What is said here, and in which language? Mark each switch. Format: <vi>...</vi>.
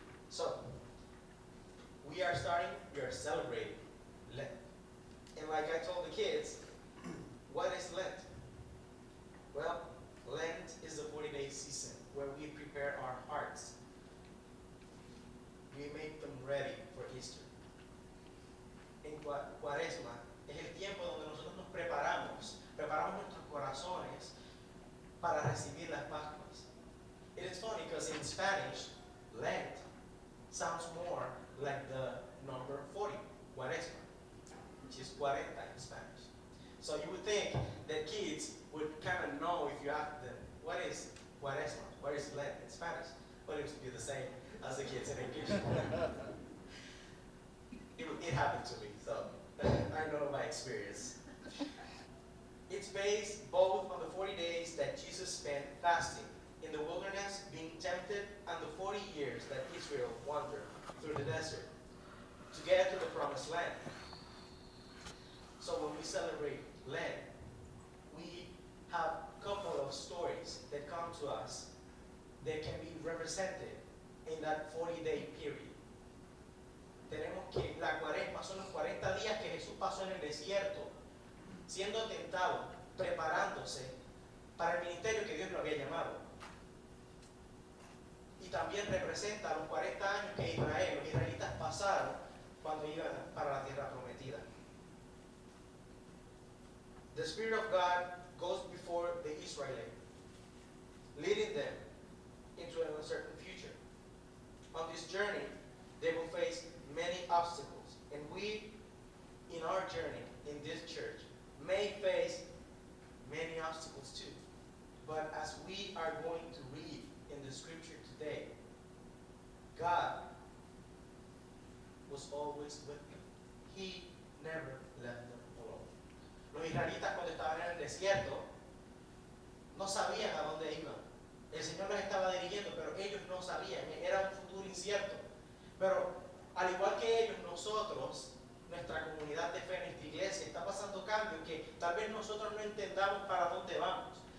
<en>So, we are starting, we are celebrating Lent. And like I told the kids, what is Lent? Well, Lent is a 40-day season where we prepare our hearts. We make them ready for Easter.</en> <es>En Cuaresma, es el tiempo donde nosotros nos preparamos, preparamos nuestros corazones para recibir las Pascuas.</es> <en>It is funny because in Spanish, Lent sounds more like the number 40, Cuaresma, which is 40 in Spanish. So you would think that kids would kind of know if you ask them, what is Cuaresma? What is Lent in Spanish? But it would be the same as the kids in English. It happened to me, so I know by experience. It's based both on the 40 days that Jesus spent fasting in the wilderness, being tempted, and the 40 years that Israel wandered through the desert to get to the promised land. So when we celebrate Lent, we have a couple of stories that come to us that can be represented in that 40-day period.</en> <es>Tenemos que la cuaresma son los 40 días que Jesús pasó en el desierto, siendo tentado, preparándose para el ministerio que Dios lo había llamado. Y también representa los 40 años que Israel, los israelitas pasaron cuando iban para la tierra prometida.</es> <en>The Spirit of God goes before the Israelites, leading them into an uncertain future. On this journey, they will face many obstacles. And we, in our journey, in this church, may face many obstacles too. But as we are going to read in the scripture today, God was always with them. He never left them alone.</en> <es>Los israelitas cuando estaban en el desierto no sabían a dónde iban. El Señor les estaba dirigiendo, pero ellos no sabían. Era un futuro incierto. Pero al igual que ellos, nosotros, nuestra comunidad de fe, nuestra iglesia, está pasando cambios que tal vez nosotros no entendamos para dónde vamos.</es>